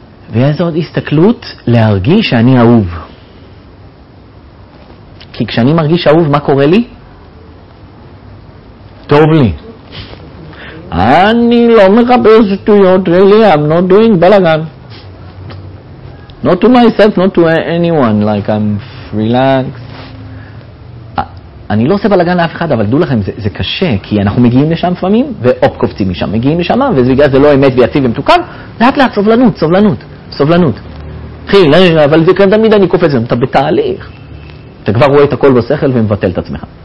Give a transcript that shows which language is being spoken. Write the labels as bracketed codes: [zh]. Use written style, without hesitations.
[he] ואז עוד הסתכלות להרגיש שאני אהוב. כי כשאני מרגיש אהוב, מה קורה לי? טוב לי. אני לא מחבר שטויות, [en] really, I'm not doing [he] בלגן. [en] Not to myself, not to anyone, like I'm relaxed. [he] אני לא עושה בלגן לאף אחד, אבל דו לכם, זה קשה, כי אנחנו מגיעים לשם פעמים, ואופ, קופצים משם, מגיעים לשם, ובגלל זה לא אמת ויציב ומתוקן, לאט לאט, סובלנות, סובלנות. סובלנות. חיל, אבל זה כאן תמיד אני קופץ, אתה בתהליך. אתה כבר רואה את הכל בשכל ומבטל את עצמך.